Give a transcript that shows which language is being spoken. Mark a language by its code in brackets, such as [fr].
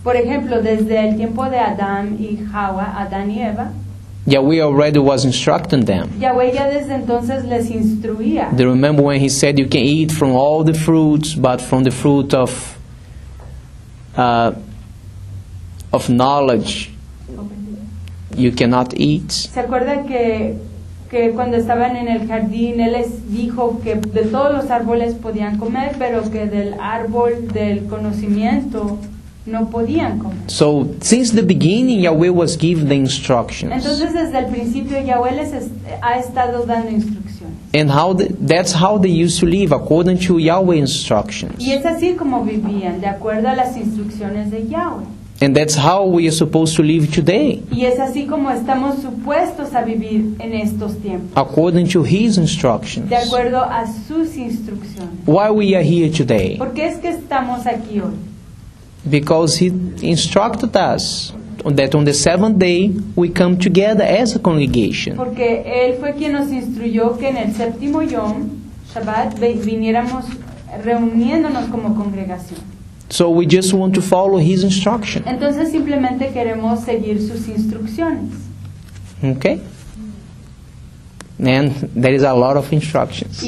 [es] Por ejemplo, desde el tiempo de Adán y Hawa, Adán y Eva. [en] Yahweh already was instructing them. [es] Yahweh ya desde entonces les instruía. [en] They remember when he said, "You can eat from all the fruits, but from the fruit of." Of knowledge, you cannot eat. [es] ¿Se acuerda que cuando estaban en el jardín, él les dijo que de todos los árboles podían comer, pero que del árbol del conocimiento no podían comer? [en] So, since the beginning, Yahweh was giving the instructions. [es] Entonces, desde el principio, Yahweh les ha estado dando instrucciones. [en] And that's how they used to live, according to Yahweh's instructions. [es] Y es así como vivían, de acuerdo a las instrucciones de Yahweh. [en] And that's how we are supposed to live today. [es] Y es así como estamos supuestos a vivir en estos tiempos. [en] According to his instructions. [es] De acuerdo a sus instrucciones. [en] Why we are here today? [es] ¿Por qué es que estamos aquí hoy? [en] Because he instructed us that on the seventh day we come together as a congregation. [es] Porque él fue quien nos instruyó que en el séptimo Yom, Shabbat, viniéramos reuniéndonos como congregación. [en] So we just want to follow his instructions. [es] Entonces simplemente queremos seguir sus instrucciones. [en] Okay. And there is a lot of instructions.